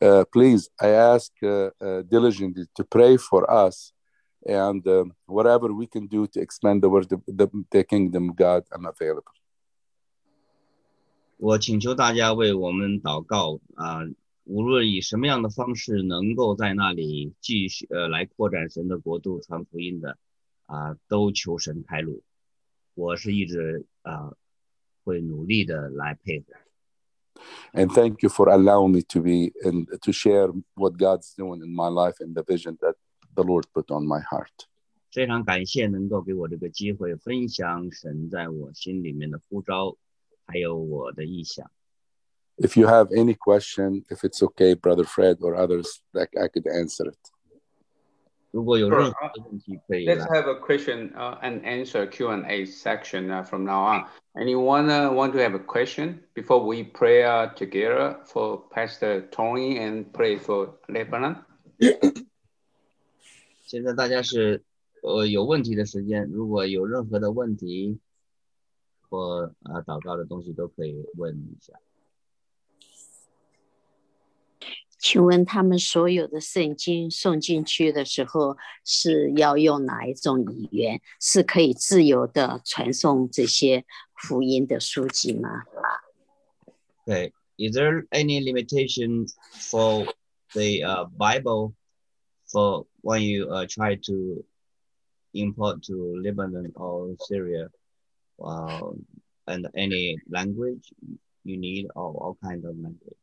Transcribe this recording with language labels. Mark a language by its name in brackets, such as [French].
[English] Please, I ask diligently to pray for us, and whatever we can do to expand the word, the kingdom of God, I'm available. [Chinese] 我请求大家为我们祷告啊，无论以什么样的方式能够在那里继续来扩展神的国度、传福音的啊，都求神开路。我是一直会努力的来配合。 [English] And thank you for allowing me to be and to share what God's doing in my life and the vision that the Lord put on my heart. [Chinese] 非常感谢能够给我这个机会分享神在我心里面的呼召。还有我的意向。 [English] If you have any question, if it's okay, Brother Fred or others, like I could answer it. [Chinese] 如果有任何的问题可以。 [English] Let's have a question and answer Q&A section from now on. Anyone want to have a question before we pray together for Pastor Tony and pray for Lebanon? [Chinese] 现在大家是有问题的时间，如果有任何的问题。或祷告的东西都可以问一下。请问他们所有的圣经送进去的时候是要用哪一种语言？是可以自由的传送这些福音的书籍吗？ [English] Okay. Is there any limitation for the Bible for when you try to import to Lebanon or Syria? Wow. And any language you need, or all kinds of language?